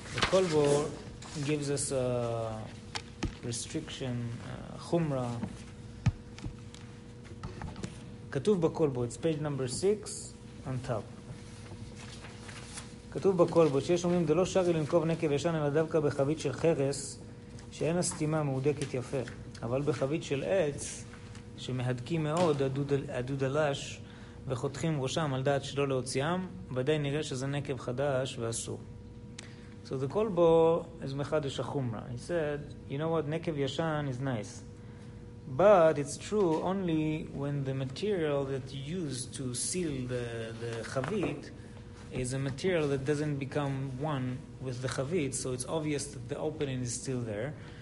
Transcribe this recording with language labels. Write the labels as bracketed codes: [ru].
[en] Kolbo gives us a restriction, chumra. [he] Ketuv b'kolbo, [en] it's page number 6 on top. [he] Ketuv b'kolbo, שיש אומרים, דלא שרי לנקוב נקב ישן, אלא דווקא בחבית של חרס, שאין הסתימה מהודקת יפה. אבל בחבית של עץ, שמהדקים מאוד, הדוד הלש, וחותכים ראשם על דעת שלא להוציאם, ודאי נראה שזה נקב חדש ואסור. [en] So the kolbo is mechadish achumra. He said, you know what, nekev yashan is nice. But it's true only when the material that you use to seal the chavit is a material that doesn't become one with the chavit, so it's obvious that the opening is still there.